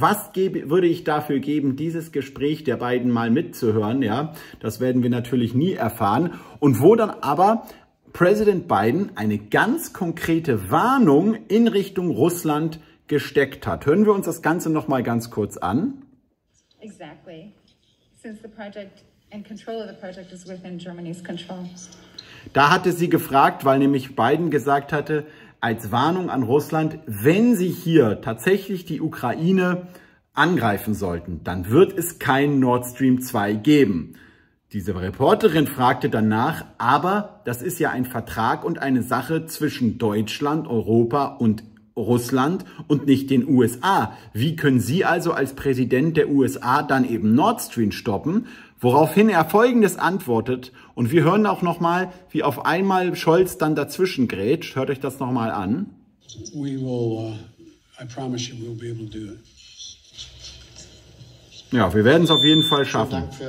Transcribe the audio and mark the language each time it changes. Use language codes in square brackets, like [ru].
[de] Was würde ich dafür geben, dieses Gespräch der beiden mal mitzuhören? Ja, das werden wir natürlich nie erfahren. Und wo dann aber Präsident Biden eine ganz konkrete Warnung in Richtung Russland gesteckt hat. Hören wir uns das Ganze nochmal ganz kurz an. [en] Exactly. Since the project and control of the project is within Germany's control. [de] Da hatte sie gefragt, weil nämlich Biden gesagt hatte, als Warnung an Russland, wenn sie hier tatsächlich die Ukraine angreifen sollten, dann wird es kein Nord Stream 2 geben. Diese Reporterin fragte danach, aber das ist ja ein Vertrag und eine Sache zwischen Deutschland, Europa und Russland und nicht den USA. Wie können Sie also als Präsident der USA dann eben Nord Stream stoppen? Woraufhin er Folgendes antwortet, und wir hören auch nochmal, wie auf einmal Scholz dann dazwischen grätscht. Hört euch das nochmal an. [en] We will, I promise you, we'll be able to do it. [de] Ja, wir werden es auf jeden Fall schaffen.